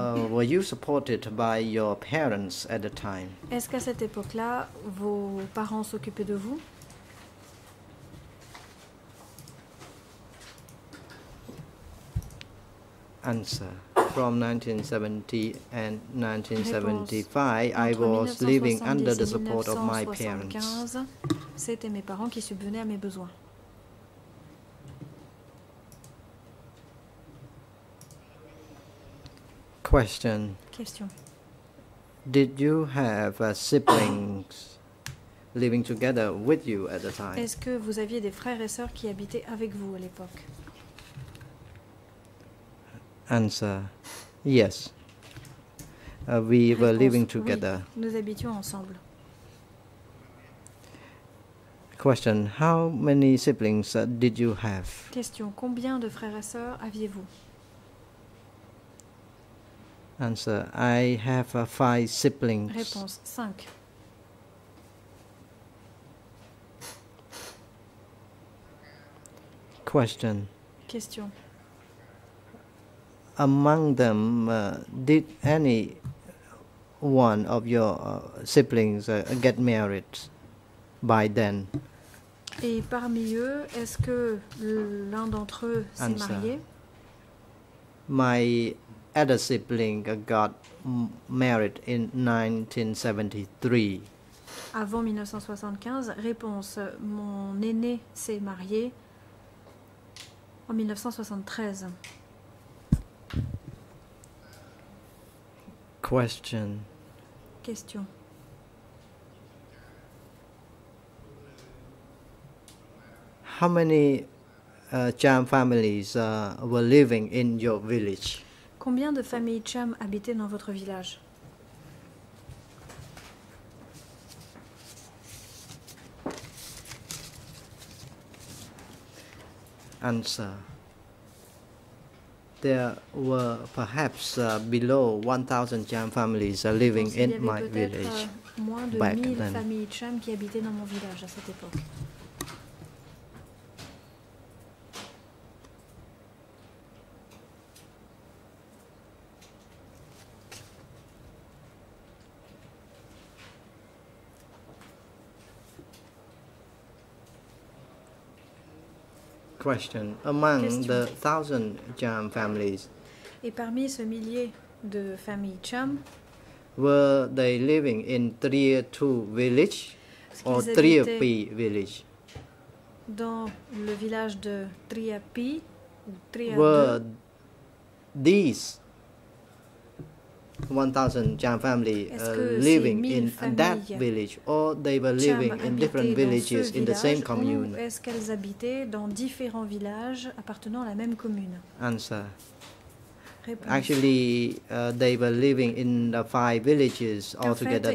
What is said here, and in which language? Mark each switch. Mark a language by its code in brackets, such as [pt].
[en] Were you supported by your parents at the time? [fr] Est-ce qu'à cette époque-là, vos parents s'occupaient de vous? [en] Answer. From 1970 and 1975, I was living under the support of my parents. [fr] C'était mes parents qui subvenaient à mes besoins. [en] Question. [fr] Question. [en] Did you have siblings living together with you at the time? [fr] Est-ce que vous aviez des frères et sœurs qui habitaient avec vous à l'époque? [en] Answer. Yes. We [fr] réponse, [en] were living together. [fr] Oui, nous habitions ensemble. [en] Question. How many siblings did you have? [fr] Question. Combien de frères et sœurs aviez-vous? [en] Answer. I have 5 siblings. [fr] Réponse. 5. [en] Question. [fr] Question. [en] Among them, did any one of your siblings get married by then? [fr] Et parmi eux, est-ce que l'un d'entre eux s'est marié? [en] My other sibling got married in 1973. [fr] Avant 1975, réponse, mon aîné s'est marié en 1973. [en] Question. [fr] Question. [en] How many Cham families were living in your village? [fr] Combien de familles Cham habitaient dans votre village? [en] Answer. There were perhaps below 1,000 Cham families living in my village back then. [fr] Familles Cham qui habitaient dans mon village à cette époque. [en] Question. Among question. The 1,000 Cham families, [fr] et parmi ce millier de familles Cham, [en] were they living in Trier II village or Trier Pi village? [fr] Dans le village de Trier Pi, [en] were these 1,000 Cham families living in that village, or they were living [fr] Cham [en] in different villages [fr] village [en] in the same commune? [fr] Est-ce qu'elles habitaient dans différents villages appartenant à la même commune? [en] Answer. Actually, they were living in the five villages altogether.